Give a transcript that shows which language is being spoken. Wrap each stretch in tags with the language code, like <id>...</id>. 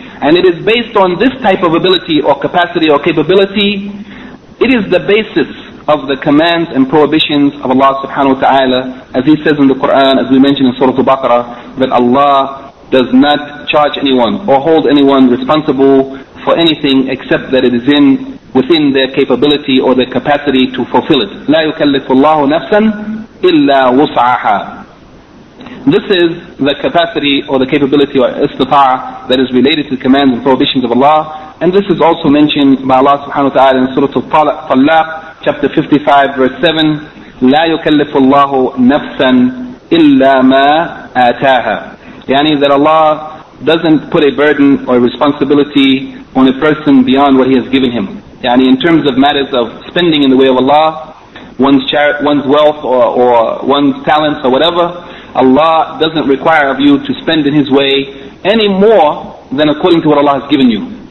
<en>And it is based on this type of ability or capacity or capability, it is the basis of the commands and prohibitions of Allah subhanahu wa ta'ala, as he says in the Quran, as we mentioned in Surah Al-Baqarah, that Allah does not charge anyone or hold anyone responsible for anything except that it is in within their capability or their capacity to fulfill it.</en> <ar>لا يكلف الله نفسا إلا وسعها.</ar> <en>This is the capacity or the capability or istita'a that is related to the commands and prohibitions of Allah. And this is also mentioned by Allah subhanahu wa ta'ala in Surah Al-Talaq, chapter 55, verse 7.</en> <ar>لا يكلف الله نفسا إلا ما آتاها.</ar> <en>Yani that Allah doesn't put a burden or a responsibility on a person beyond what He has given him. Yani in terms of matters of spending in the way of Allah, one's wealth or one's talents or whatever, Allah doesn't require of you to spend in His way any more than according to what Allah has given you.</en>